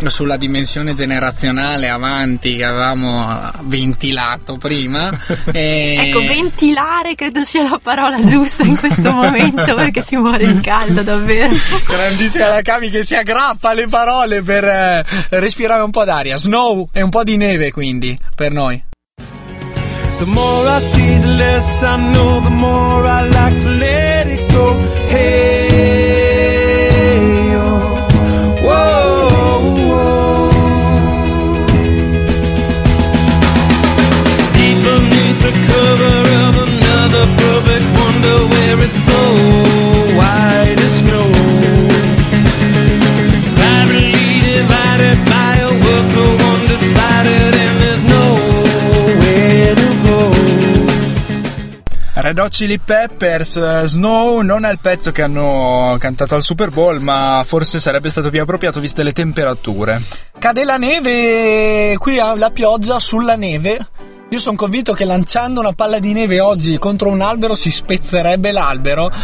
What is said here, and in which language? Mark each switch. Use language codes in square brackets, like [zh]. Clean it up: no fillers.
[it] Sulla dimensione generazionale avanti che avevamo ventilato prima. E... ecco, ventilare credo sia la parola giusta in questo momento, perché si muore in caldo davvero. Grandissima la Cami che si aggrappa alle parole per respirare un po' d'aria. Snow e un po' di neve quindi per noi. [en] The more I see, the less I know, the more I like to let it go. Hey, oh, whoa, whoa. Deep beneath the cover of another perfect wonder, where it's so white as snow. Blindly divided by a world so undecided. [it] Red Hot Chili Peppers, Snow, non è il pezzo che hanno cantato al Super Bowl, ma forse sarebbe stato più appropriato viste le temperature. Cade la neve, qui la pioggia sulla neve. Io sono convinto che lanciando una palla di neve oggi contro un albero si spezzerebbe l'albero.